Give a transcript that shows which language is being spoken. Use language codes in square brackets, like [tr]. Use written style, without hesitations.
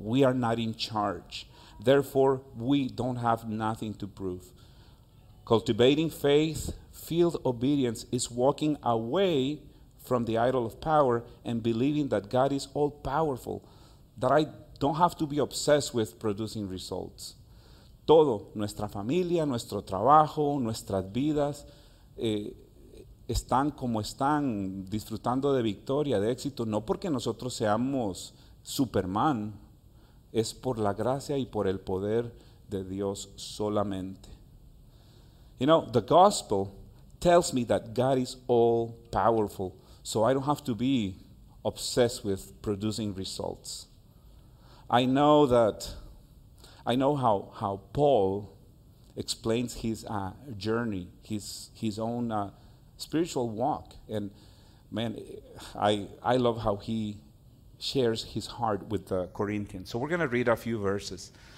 [en] We are not in charge. Therefore, we don't have nothing to prove. Cultivating faith, field obedience is walking away from the idol of power and believing that God is all-powerful, that I don't have to be obsessed with producing results. [es] Todo, nuestra familia, nuestro trabajo, nuestras vidas, están como están, disfrutando de victoria, de éxito, no porque nosotros seamos Superman, es por la gracia y por el poder de Dios solamente. [en] You know, the gospel tells me that God is all powerful, so I don't have to be obsessed with producing results. I know how Paul explains his journey, his own spiritual walk, and man, I love how he shares his heart with the Corinthians. So we're going to read a few verses.